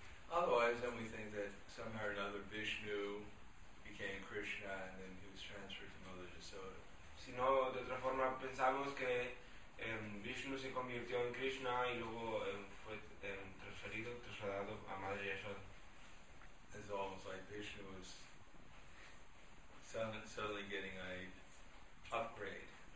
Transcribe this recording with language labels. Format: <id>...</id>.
<en>Otherwise, then we think that somehow or another Vishnu became Krishna and then he was transferred to Mother Yasoda.</en> <es>Si no, de otra forma pensamos que Vishnu se convirtió en Krishna y luego fue trasladado a Madre Yasoda.</es> <en>It's almost like Vishnu was suddenly getting a upgrade.</en>